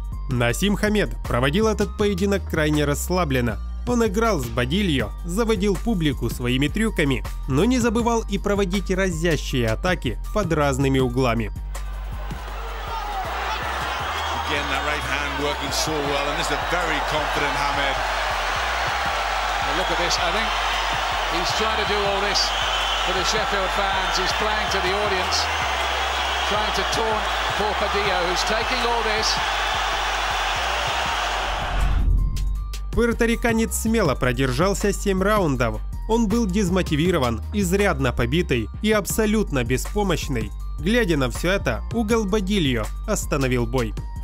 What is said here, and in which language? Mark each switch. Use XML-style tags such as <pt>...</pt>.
<ru>Насим Хамед проводил этот поединок крайне расслабленно. Он играл с Бодильо, заводил публику своими трюками, но не забывал и проводить разящие атаки под разными углами.</ru> <en>Working so well, and this is a very confident Hamed. Well, look at this, I think he's trying to do all this for the Sheffield fans. He's playing to the audience, trying to taunt poor Padillo, who's taking all this.</en> <ru>Пуэрториканец смело продержался 7 раундов. Он был дезмотивирован, изрядно побитый и абсолютно беспомощный. Глядя на все это, угол Бодильо остановил бой.</ru>